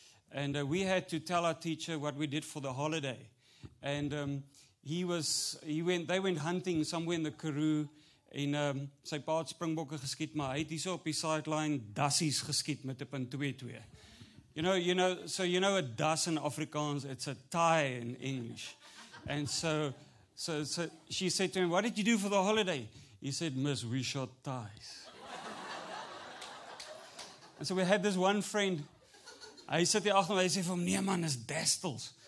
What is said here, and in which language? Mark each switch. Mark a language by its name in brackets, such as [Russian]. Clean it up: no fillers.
[English] And we had to tell our teacher what we did for the holiday. And they went hunting somewhere in the Karoo. [Afrikaans] En sy pa het springbokke geskiet, maar hy het hier so op die sideline dassies geskiet met 'n .22. [English] You know a dass in Afrikaans, it's a tie in English. And so she said to him, what did you do for the holiday? He said, Miss, we shot ties. And so we had this one friend. [Afrikaans] Hy sit hier agter my, hy sê vir hom, nee man, is destels.